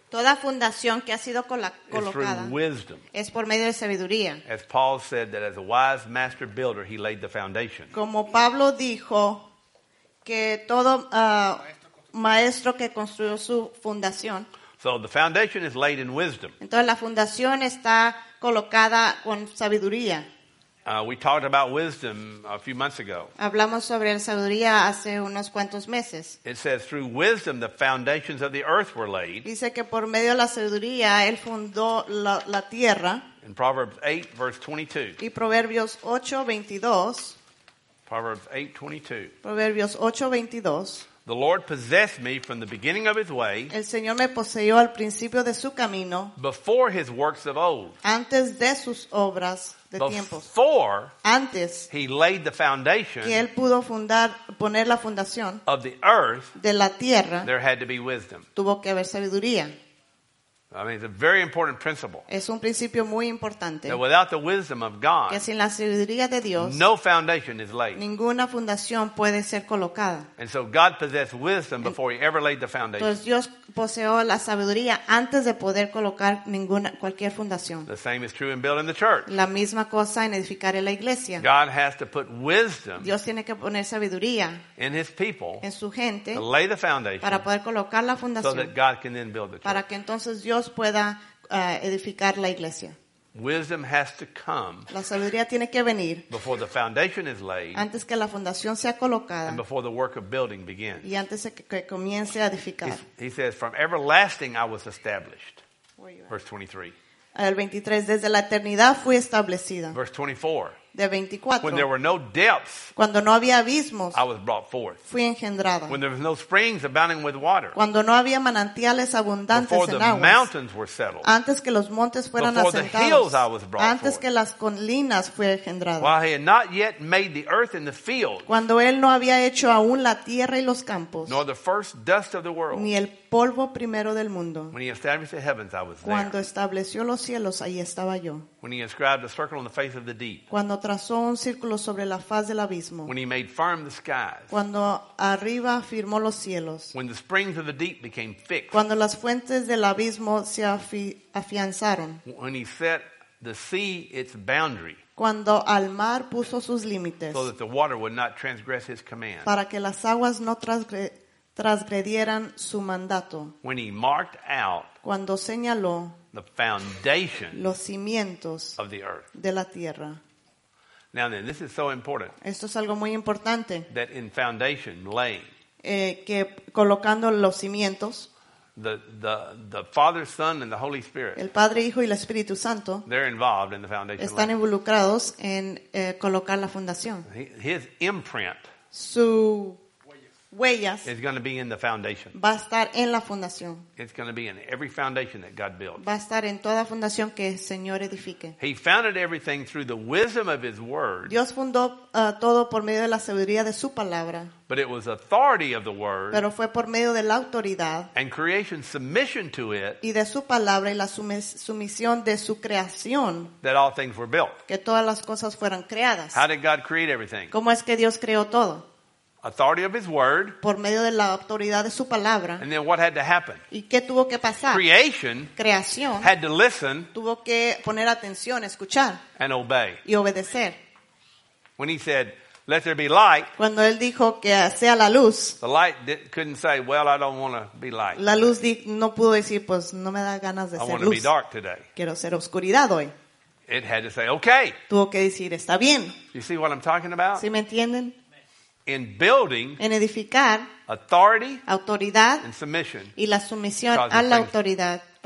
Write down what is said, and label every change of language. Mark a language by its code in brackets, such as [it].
[es] Toda fundación que ha sido colocada es por medio de sabiduría. [en] As Paul said that as a wise master builder, he laid the foundation. [es] Como Pablo dijo que todo maestro que construyó su fundación. [en] So the foundation is laid in wisdom. [es] Entonces la fundación está colocada con sabiduría. [en] We talked about wisdom a few months ago. [es] Hablamos sobre la sabiduría hace unos cuantos meses. [en] It says through wisdom the foundations of the earth were laid. [es] Dice que por medio de la sabiduría él fundó la tierra. [en] In Proverbs 8 verse 22. [es] Y Proverbios 8:22. [en] Proverbs 8:22. [es] Proverbios 8:22. [en] The Lord possessed me from the beginning of his way. [es] El Señor me poseyó al principio de su camino. [en] Before his works of old. [es] Antes de sus obras de tiempos. [en] Before [es] antes [en] he laid the foundation. [es] Que él pudo fundar, poner la fundación [en] of the earth. [es] De la tierra. [en] There had to be wisdom. [es] Tuvo que haber sabiduría. [en] I mean, it's a very important principle. [es] Es un principio muy importante. [en] That without the wisdom of God. [es] Que sin la sabiduría de Dios. [en] No foundation is laid. [es] Ninguna fundación puede ser colocada. [en] And so God possessed wisdom before he ever laid the foundation. [es] Entonces Dios poseó la sabiduría antes de poder colocar ninguna cualquier fundación. [en] The same is true in building the church. [es] La misma cosa en edificar la iglesia. [en] God has to put wisdom. [es] Dios tiene que poner sabiduría. [en] In his people. [es] En su gente. [en] To lay the foundation. [es] Para poder colocar la fundación. [en] So that God can then build the church. [es] Para que entonces Dios pueda edificar la iglesia. [en] Wisdom has to come. [es] La sabiduría tiene que venir. [en] Before the foundation is laid. [es] Antes que la fundación sea colocada. [en] And before the work of building begins. [es] Y antes de que comience a edificar. [en] He says, "From everlasting I was established." Verse 23. [es] El 23. Desde la eternidad fui establecida. [en] Verse 24. [es] De 24. [en] When there were no depths. [es] Cuando no había abismos. [en] I was brought forth. [es] Fui engendrada. [en] When there was no springs abounding with water. [es] Cuando no había manantiales abundantes [en] before [es] en aguas. [en] Before the mountains were settled. [es] Antes que los montes fueran [en] before [es] asentados. [en] Before the hills I was brought [es] antes [en] forth. [es] Que las colinas fui engendrada. [en] While he had not yet made the earth and the field. [es] Cuando él no había hecho aún la tierra y los campos. [en] Nor the first dust of the world. [es] Ni el polvo primero del mundo. [en] When he established the heavens I was [es] cuando [en] there. [es] Estableció los cielos ahí estaba yo. [en] When he inscribed a circle on the face of the deep. [es] Cuando trazó un círculo sobre la faz del abismo. [en] When he made firm the skies. [es] Cuando arriba firmó los cielos. [en] When the springs of the deep became fixed. [es] Cuando las fuentes del abismo se afianzaron. [en] When he set the sea its boundary. [es] Cuando al mar puso sus límites. [en] So that the water would not transgress his command. [es] Para que las aguas no transgredieran su mandato. [en] When he marked out. [es] Cuando señaló. [en] The foundation [es] los cimientos [en] of the earth. [es] De la tierra. [en] Now then, this is so important. [es] Esto es algo muy importante. [en] That in foundation laying. [es] Que colocando los cimientos. [en] The Father, Son, and the Holy Spirit. [es] El Padre, Hijo y el Espíritu Santo. [en] They're involved in the foundation. [es] Están [en] laying. [es] Involucrados en colocar la fundación. [en] His imprint. [es] Su huellas [en] is going to be in the foundation. [es] Va a estar en la fundación. [en] It's going to be in every foundation that God builds. [es] Va a estar en toda fundación que el Señor edifique. [en] He founded everything through the wisdom of his word. [es] Dios fundó todo por medio de la sabiduría de su palabra. [en] But it was authority of the word. [es] Pero fue por medio de la autoridad. [en] And creation submission to it. [es] Y de su palabra y la sumisión de su creación. [en] That all things were built. [es] Que todas las cosas fueran creadas. [en] How did God create everything? [es] ¿Cómo es que Dios creó todo? [en] Authority of his word. [es] Por medio de la autoridad de su palabra. [en] And then what had to happen? [es] ¿Y qué tuvo que pasar? [en] Creation. [es] Creación. [en] Had to listen. [es] Tuvo que poner atención, escuchar. [en] And obey. [es] Y obedecer. [en] When he said, "Let there be light." [es] Cuando él dijo que sea la luz. [en] The light couldn't say, "Well, I don't want to be light." [es] La luz no pudo decir, pues no me da ganas de ser luz. [en] I want to be dark today. [es] Quiero ser oscuridad hoy. [en] It had to say, "Okay." [es] Tuvo que decir, está bien. [en] You see what I'm talking about? [es] ¿Sí me entienden? [en] in building, [es] en edificar, [en] authority, [es] autoridad, [en] and submission, [es] y la sumisión a la autoridad,